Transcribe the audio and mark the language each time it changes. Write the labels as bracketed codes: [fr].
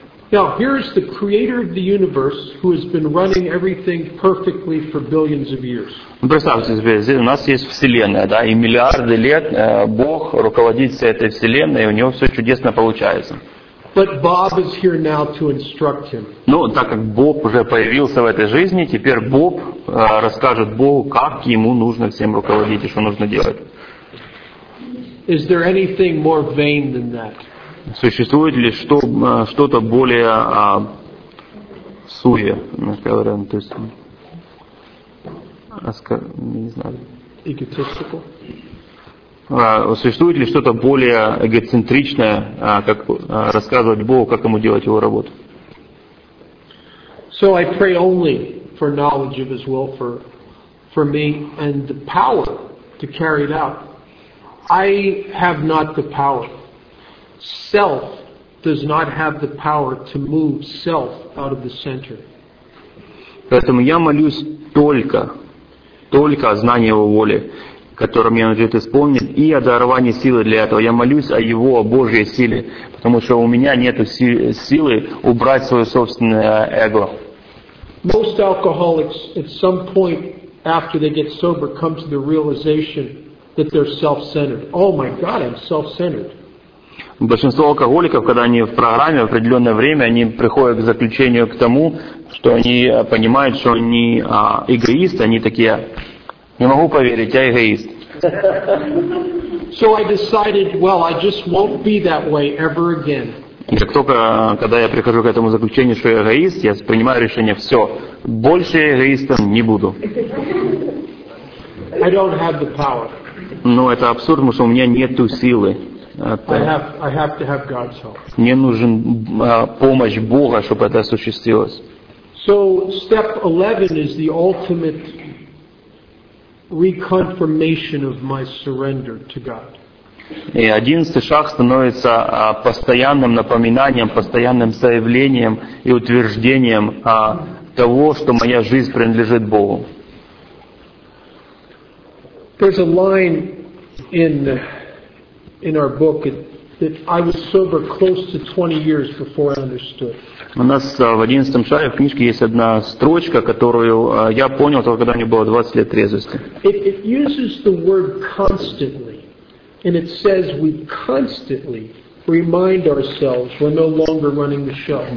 [en] Now, here is the creator of the universe who has been running everything perfectly for billions of years. [ru] Представьте себе, у нас есть Вселенная, да, и миллиарды лет Бог руководит всей этой Вселенной, и у него все чудесно получается. [en] But Bob is here now to instruct him. [ru] Ну, так как Боб уже появился в этой жизни, теперь Боб расскажет Богу, как ему нужно всем руководить и что нужно делать. [en] Is there anything more vain than that? [ru] Существует ли что-то более суе, говорят, то есть не знаю. [en] Egotistical? [ru] Существует ли что-то более эгоцентричное, как рассказывать Богу, как ему делать его работу? [en] So I pray only for knowledge of His will for me and the power to carry it out. I have not the power. Self does not have the power to move self out of the center. [ru] Поэтому я молюсь только о знании Его воли, которым я надеюсь исполнить, и о даровании силы для этого. Я молюсь о Его, о Божьей силе, потому что у меня нет силы убрать свое собственное эго. [en] Most alcoholics at some point after they get sober come to the realization that they're self-centered. Oh my God, I'm self-centered. [ru] Большинство алкоголиков, когда они в программе в определенное время, они приходят к заключению к тому, что они понимают, что они эгоисты, они такие... Не могу поверить, я эгоист. [en] So I decided, well, I just won't be that way ever again. [ru] Как только, когда я прихожу к этому заключению, что я эгоист, я принимаю решение, все, больше эгоистом не буду. [en] I don't have the power. [ru] Но это абсурд, потому что у меня нету силы. [en] I have to have God's help. [ru] Мне нужен помощь Бога, чтобы это осуществилось. [en] So step 11 is the ultimate reconfirmation of my surrender to God. [ru] И одиннадцатый шаг становится постоянным напоминанием, постоянным заявлением и утверждением того, что моя жизнь принадлежит Богу. [en] There's a line in our book that I was sober close to 20 years before I understood. [ru] У нас в одиннадцатом шаге в книжке есть одна строчка, которую я понял только когда мне было 20 лет трезвости. [en] It uses the word constantly, and it says we constantly remind ourselves we're no longer running the show.